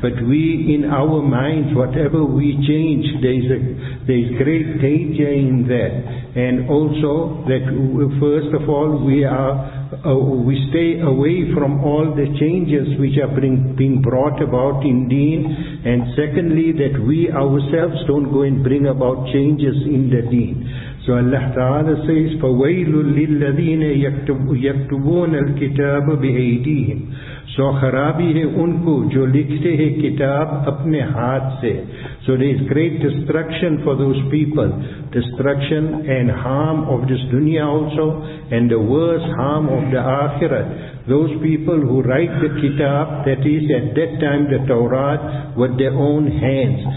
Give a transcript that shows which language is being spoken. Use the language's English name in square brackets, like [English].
[English] But we, in our minds, whatever we change, there is great danger in that. And also, that first of all, we stay away from all the changes which are being brought about in deen, and secondly, that we ourselves don't go and bring about changes in the deen. So Allah Ta'ala says, [Arabic] فَوَيْلُ لِلَّذِينَ يَكْتُبُونَ الْكِتَابَ بِأَيْدِيهِمْ. [Hindi] So kharabi hai unko jo likhte hai kitab apne haath se. [English] So there is great destruction for those people. Destruction and harm of this dunya also, and the worst harm of the akhirat. Those people who write the kitab, that is at that time the Torah, with their own hands.